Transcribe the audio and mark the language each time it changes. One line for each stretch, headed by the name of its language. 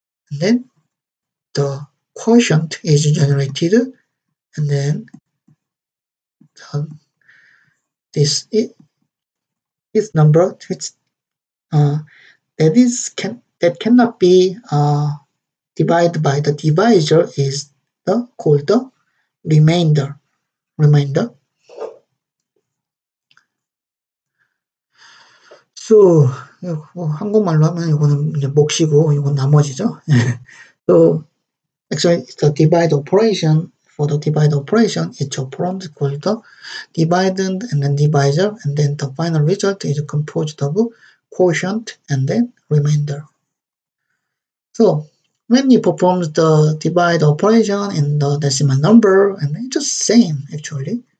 English: And then the quotient is generated, and then this number which that cannot be divided by the divisor is called the remainder.
Korean: So 한국말로 하면 이거는 이제 몫이고 이건 나머지죠.
English: So actually it's the divide operation. For the divide operation, each operand is called the dividend and then divisor, and then the final result is composed of quotient and then remainder. So, when you perform the divide operation in the decimal number, and it's just same actually.